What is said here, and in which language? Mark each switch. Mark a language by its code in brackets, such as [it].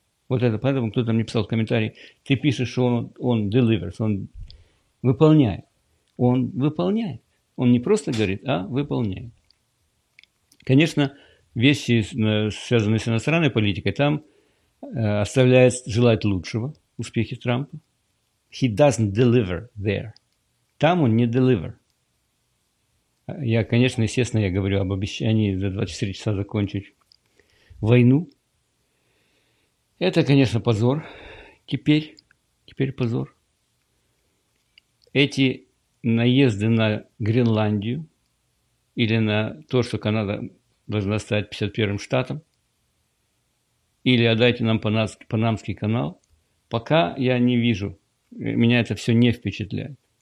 [ru] Вот это поэтому кто-то мне писал в комментарии, ты пишешь, что он delivers, он выполняет. Он выполняет. Он не просто говорит, а выполняет. Конечно, вещи, связанные с иностранной политикой, там оставляют желать лучшего, успехи Трампа. [en] He doesn't deliver there. [ru] Там он не deliver. Я, конечно, естественно, я говорю об обещании за 24 часа закончить войну. Это, конечно, позор. Теперь позор. Эти наезды на Гренландию или на то, что Канада должна стать 51-м штатом, или отдайте нам Панамский канал, пока я не вижу, меня это все не впечатляет.